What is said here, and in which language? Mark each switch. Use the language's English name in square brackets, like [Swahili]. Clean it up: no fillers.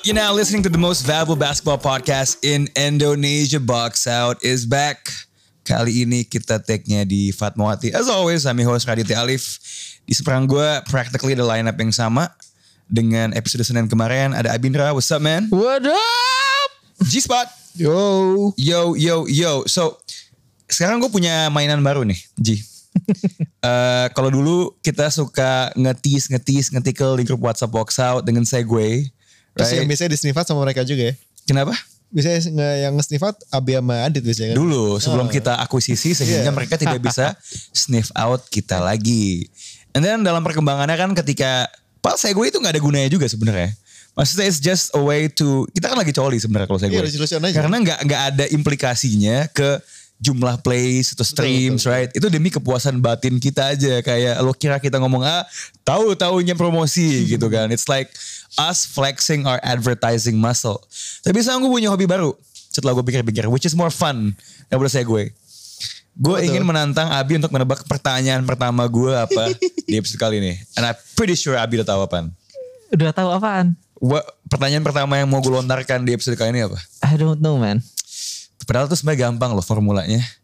[English] You're now listening to the most valuable basketball podcast in Indonesia. Box Out is back. [Indonesian] Kali ini kita take-nya di Fatmawati. [English] As always, I'm your host Radit Alif. [Indonesian] Di seberang gue, [English] practically the lineup [Indonesian] yang sama. Dengan episode Senin kemarin, ada Abindra. [English] What's up, man? What up? G-Spot. Yo. [Indonesian] Yo, yo, yo. [English] So, [Indonesian] sekarang gue punya mainan baru nih, G. Kalau dulu kita suka nge-tease, nge-tickle di grup WhatsApp Box Out dengan segue. [English] Right? [Indonesian] Terus yang biasanya disnifat sama mereka juga ya? Kenapa? Biasanya yang nge-sniffat Abi sama Adit biasanya kan? Dulu, sebelum kita akuisisi sehingga mereka tidak bisa [English] sniff out [Indonesian] kita lagi. [English] And then [Indonesian] dalam perkembangannya kan ketika... Pak segue itu enggak ada gunanya juga sebenarnya. Maksudnya [English] it's just a way to [Indonesian] kita kan lagi coli sebenarnya kalau segue. Karena enggak ada implikasinya ke jumlah plays atau streams, betul, betul, [English] right? [Indonesian] Itu demi kepuasan batin kita aja, kayak lo kira kita ngomong ah, tahu-taunya promosi gitu kan. [English] It's like us flexing our advertising muscle. [Indonesian] Tapi sekarang gue punya hobi baru. Setelah gue pikir-pikir, [English] which is more fun [Indonesian] daripada segue. Gue ingin menantang Abi untuk menebak pertanyaan pertama gue apa di episode kali ini. [English] And I'm pretty sure Abi [Indonesian] udah tahu apaan. Udah tahu apaan? Pertanyaan pertama yang mau gue lontarkan di episode kali ini apa? [English] I don't know, man. [Indonesian] Padahal tuh sebenarnya gampang loh formulanya.